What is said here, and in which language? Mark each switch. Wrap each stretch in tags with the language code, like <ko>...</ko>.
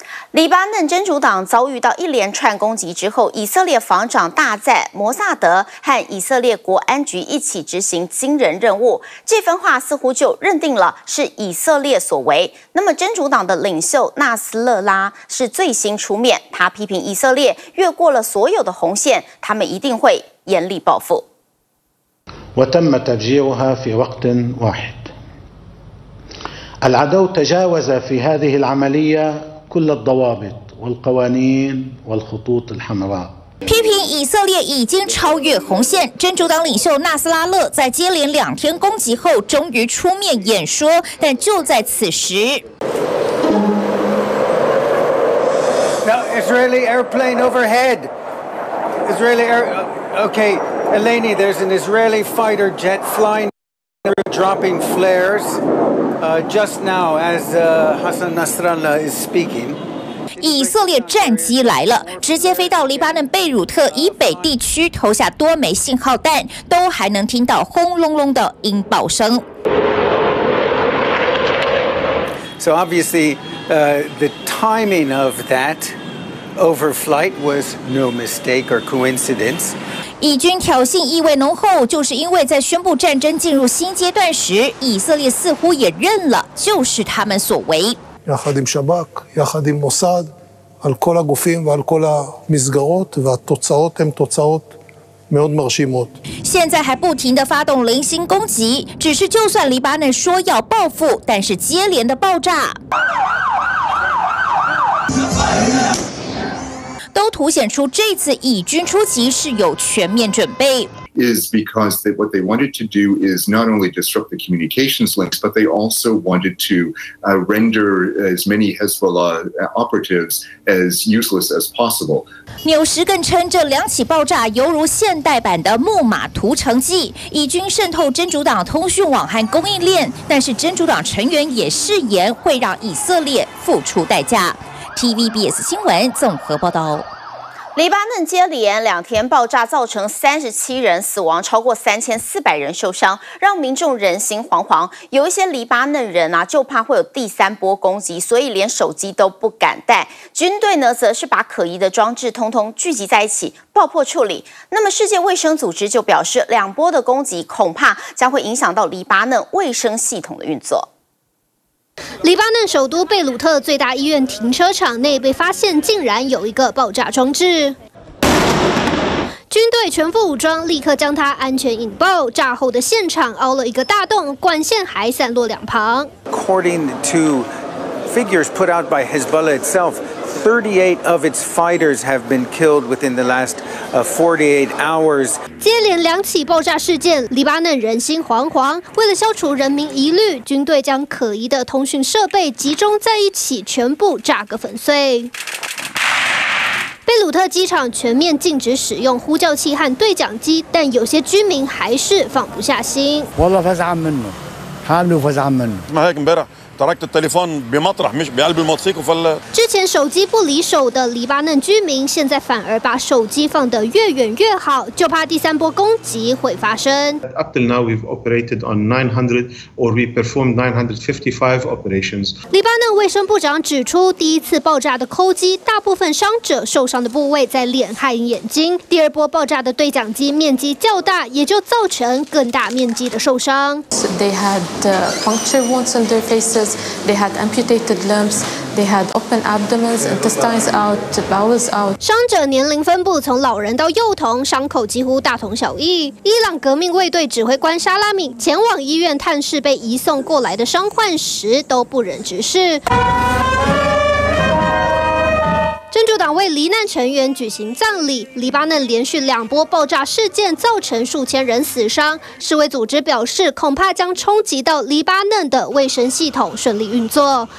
<zh>黎巴嫩真主党遭遇到一连串攻击之后，以色列防长大赞摩萨德和以色列国安局一起执行惊人任务，这番话似乎就认定了是以色列所为。那么真主党的领袖纳斯勒拉是最新出面，他批评以色列越过了所有的红线，他们一定会严厉报复。</zh> <ar>وتم تفجيرها في وقت واحد العدو تجاوز في هذه العملية كل الضوابط والقوانين والخطوط الحمراء</ar> <zh>批评以色列已经超越红线。真主党领袖纳斯拉勒在接连两天攻击后终于出面演说，但就在此时</zh> <en>Now, Israeli airplane overhead Israeli air okayElaney, there's an Israeli fighter jet flying, dropping flares, just now as Hassan Nasrallah is speaking.</en> <zh>以色列战机来了，直接飞到黎巴嫩贝鲁特以北地区，投下多枚信号弹，都还能听到轰隆隆的音爆声。</zh> <en>So obviously, the timing of that overflight was no mistake or coincidence.</en> <zh>以军挑衅意味浓厚，就是因为在宣布战争进入新阶段时，以色列似乎也认了，就是他们所为。</zh> <he>יחד עם שב"כ, יחד עם מוסד, על כל הגופים ועל כל המסגרות, והתוצאות הן תוצאות מאוד מרשימות.</he> <zh>现在还不停地发动零星攻击，只是就算黎巴嫩说要报复，但是接连的爆炸。都凸显出这次以军出击是有全面准备。</zh> <en>Is because they, what they wanted to do is not only disrupt the communications links, but they also wanted to render as many Hezbollah operatives as useless as possible.</en> <zh>纽时更称这两起爆炸犹如现代版的木马屠城计，以军渗透真主党通讯网和供应链，但是真主党成员也誓言会让以色列付出代价。 TVBS 新闻综合报道。黎巴嫩接连两天爆炸，造成37人死亡，超过3400人受伤，让民众人心惶惶。有一些黎巴嫩人啊，就怕会有第三波攻击，所以连手机都不敢带。军队呢，则是把可疑的装置通通聚集在一起，爆破处理。那么，世界卫生组织就表示，两波的攻击恐怕将会影响到黎巴嫩卫生系统的运作。黎巴嫩首都贝鲁特最大医院停车场内被发现竟然有一个爆炸装置，军队全副武装立刻将它安全引爆，炸后的现场凹了一个大洞，管线还散落两旁。</zh> <en>According to figures put out by Hezbollah itself, 38 of its fighters have been killed within the last 48 hours.</en> <zh>接连两起爆炸事件，黎巴嫩人心惶惶。为了消除人民疑虑，军队将可疑的通讯设备集中在一起，全部炸个粉碎。贝鲁特机场全面禁止使用呼叫器和对讲机，但有些居民还是放不下心。之前手机不离手的黎巴嫩居民，现在反而把手机放得越远越好，就怕第三波攻击会发生。</zh> <en>Up till now, we've operated on 900, or we performed 955 operations.</en> <zh>黎巴嫩卫生部长指出，第一次爆炸的扣机，大部分伤者受伤的部位在脸和眼睛；第二波爆炸的对讲机面积较大，也就造成更大面积的受伤。</zh> <en>They had puncture wounds on their faces. bruises, they had amputated limbs, they had open abdomens, intestines out, bowels out.</en> <zh>伤者年龄分布从老人到幼童，伤口几乎大同小异。伊朗革命卫队指挥官沙拉米前往医院探视被移送过来的伤患时，都不忍直视。真主党为罹难成员举行葬礼。黎巴嫩连续两波爆炸事件造成数千人死伤，世卫组织表示恐怕将冲击到黎巴嫩的卫生系统顺利运作。</zh>